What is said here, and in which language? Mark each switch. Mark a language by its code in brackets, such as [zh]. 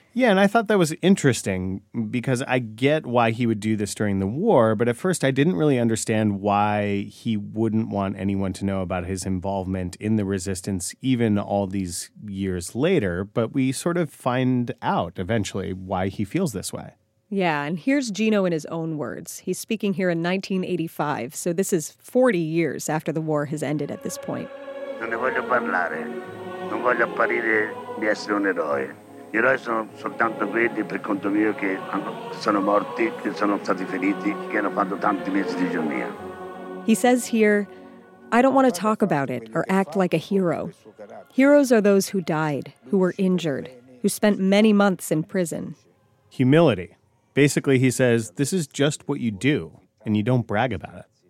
[en] Yeah, and I thought that was interesting because I get why he would do this during the war, but at first I didn't really understand why he wouldn't want anyone to know about his involvement in the resistance even all these years later, but we sort of find out eventually why he feels this way. Yeah, and here's Gino in his own words. He's speaking here in 1985, so this is 40 years after the war has ended at this point. [it] Non ne voglio parlare. Non voglio apparire di essere un eroe. Gli eroi sono soltanto quelli, per conto mio, che sono morti, che sono stati feriti, che hanno fatto tanti mesi di giornia. [en] He says here, I don't want to talk about it or act like a hero. Heroes are those who died, who were injured, who spent many months in prison. Humility. Basically, he says, this is just what you do, and you don't brag about it.